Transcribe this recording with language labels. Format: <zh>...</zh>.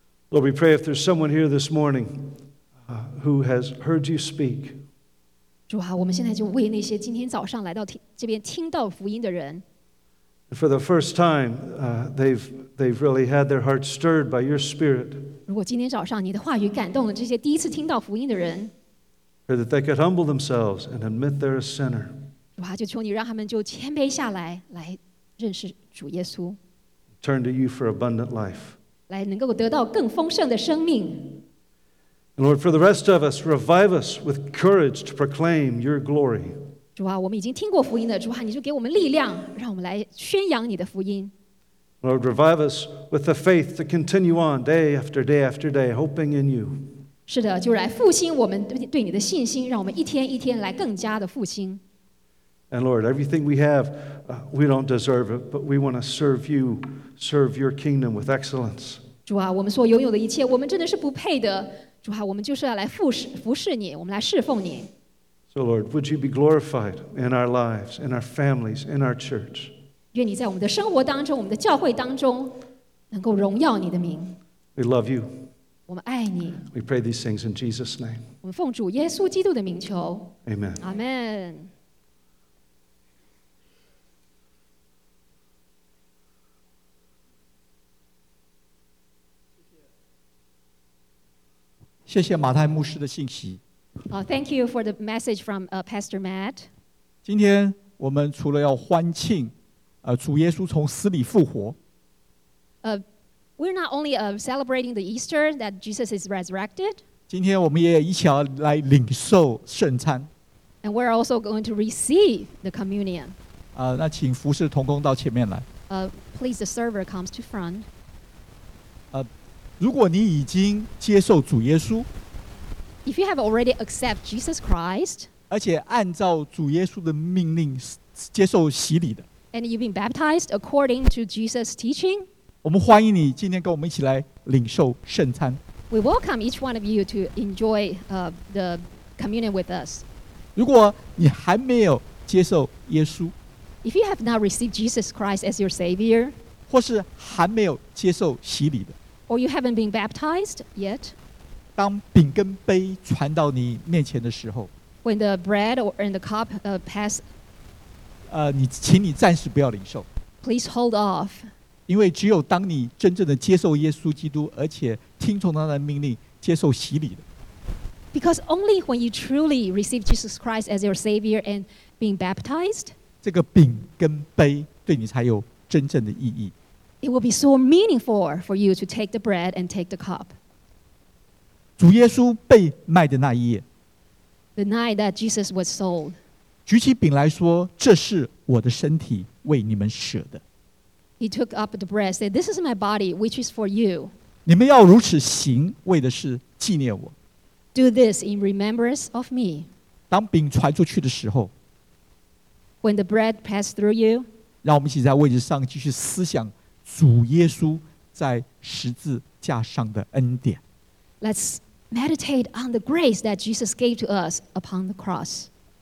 <en>Lord, we pray if there's someone here this morning who has heard you speak.</en> <zh>主啊，我们现在就为那些今天早上来到这边听到福音的人。</zh> <en>For the first time, they've really had their hearts stirred by your spirit.</en> <zh>如果今天早上你的话语感动了这些第一次听到福音的人。</zh> <en>Pray that they could humble themselves and admit they're a sinner.</en> <zh>主啊，就求你让他们就谦卑下来，来认识主耶稣。</zh> <en>Turn to you for abundant life.</en> <zh>来能够得到更丰盛的生命。</zh> <en>And Lord, for the rest of us, revive us with courage to proclaim your glory.</en> <zh>主啊，我们已经听过福音了，主啊，你就给我们力量，让我们来宣扬你的福音。</zh> <en>Lord, revive us with the faith to continue on day after day after day, hoping in you.</en> <zh>是的，就来复兴我们对你的信心，让我们一天一天来更加的复兴。</zh> <en>And Lord, everything we have, we don't deserve it, but we want to serve you, serve your kingdom with excellence.</en> <zh>主啊，我们所拥有的一切，我们真的是不配的。主啊，我们就是要来服侍你，我们来侍奉你。</zh> <en>So Lord, would you be glorified in our lives, in our families, in our church?</en> <zh>愿你在我们的生活当中，我们的教会当中，能够荣耀你的名。</zh> <en>We love you.</en> <zh>我们爱你。</zh> <en>We pray these things in Jesus' name.</en> <zh>我们奉主耶稣基督的名求。</zh> <en>Amen. Amen. Thank you,</en> <zh>马太牧师的信息。</zh> <en>Thank you for the message from Pastor Matt.</en> <zh>今天我们除了要欢庆，主耶稣从死里复活。</zh> <en>We're not only celebrating the Easter that Jesus is resurrected.</en> <zh>今天我们也一起来领受圣餐。</zh> <en>And we're also going to receive the communion.</en> <zh>那请服侍同工到前面来。</zh> <en>Please the server comes to front.</en> <zh>如果你已经接受主耶稣。</zh> <en>If you have already accepted Jesus Christ,</en> <zh>而且按照主耶稣的命令接受洗礼的</zh> <en>and you've been baptized according to Jesus' teaching,</en> <zh>我们欢迎你今天跟我们一起来领受圣餐。</zh> <en>We welcome each one of you to enjoy the communion with us.</en> <zh>如果你还没有接受耶稣</zh> <en>if you have not received Jesus Christ as your Savior,</en> <zh>或是还没有接受洗礼的</zh> <en>or you haven't been baptized yet,</en> <zh>当饼跟杯传到你面前的时候</zh> <en>When the bread and the cup pass</en> <zh>你请你暂时不要领受</zh> <en>Please hold off</en> <zh>因为只有当你真正的接受耶稣基督而且听从他的命令接受洗礼的</zh> <en>Because only when you truly receive Jesus Christ as your Savior and being baptized</en> <zh>这个饼跟杯对你才有真正的意义</zh> <en>It will be so meaningful for you to take the bread and take the cup</en> <zh>主耶稣被卖的那一夜</zh> <en>The night that Jesus was sold</en> <zh>举起饼来说这是我的身体为你们舍的</zh> <en>He took up the bread said this is my body which is for you</en> <zh>你们要如此行为的是纪念我</zh> <en>Do this in remembrance of me</en> <zh>当饼传出去的时候</zh> <en>When the bread passed through you</en> <zh>让我们一起在位置上继续思想主耶稣在十字架上的恩典</zh> <en>Let's meditate on the grace that Jesus gave to us upon the cross.</en>